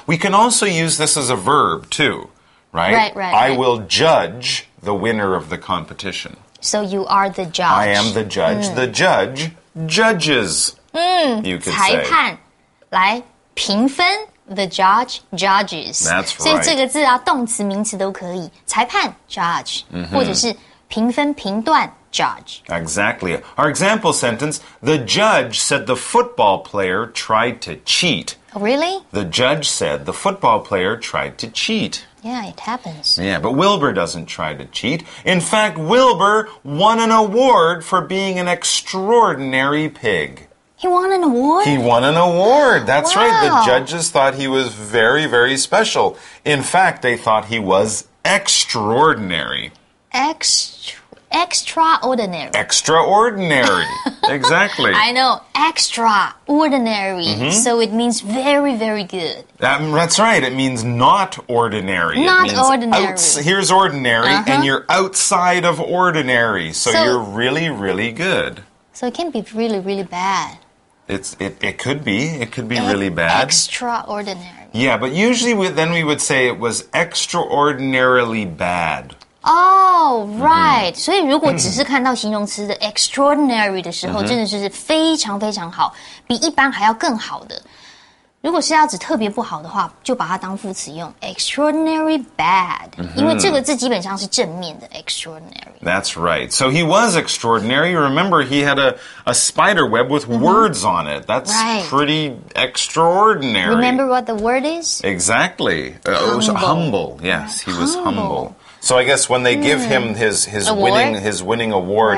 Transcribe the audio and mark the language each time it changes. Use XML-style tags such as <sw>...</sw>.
<en>We can also use this as a verb, too, right? Right. I will judge the winner of the competition. So you are the judge. I am the judge.、The judge judges,、you could say.</en> <zh>裁判来评分</zh> <en>the judge judges. That's right.</en> <zh>所以这个字啊，动词、名词都可以。裁判 judge,、或者是评分、评断 judge.</zh> <en>Exactly. Our example sentence, the judge said the football player tried to cheat. Oh, really? The judge said the football player tried to cheat. Yeah, it happens. Yeah, but Wilbur doesn't try to cheat. In fact, Wilbur won an award for being an extraordinary pig. He won an award? He won an award. That's right. The judges thought he was very, very special. In fact, they thought he was extraordinary. Extraordinary. Extraordinary. Exactly. I know. Extraordinary. Mm-hmm. So it means very, very good. That's right. It means not ordinary. Here's ordinary, uh-huh. And you're outside of ordinary. So you're really, really good. So it can be really, really bad. It could be really bad. Extraordinary. Yeah, but usually we would say it was extraordinarily bad. Oh, right.</en> <zh>Mm-hmm. 所以如果只是看到形容词的 extraordinary 的时候、mm-hmm. 真的是非常非常好，比一般还要更好的。如果是要指特别不好的话，就把它当副词用</zh> <en>extraordinary bad、</en> <zh>mm-hmm. 因为这个字基本上是正面的 extraordinary.</zh> <en>That's right. So he was extraordinary. Remember, he had a spider web with words、mm-hmm. on it. That's、 right. pretty extraordinary. Remember what the word is? Exactly. Humble. Yes, he was humble. So I guess when they give him his winning award,、</en>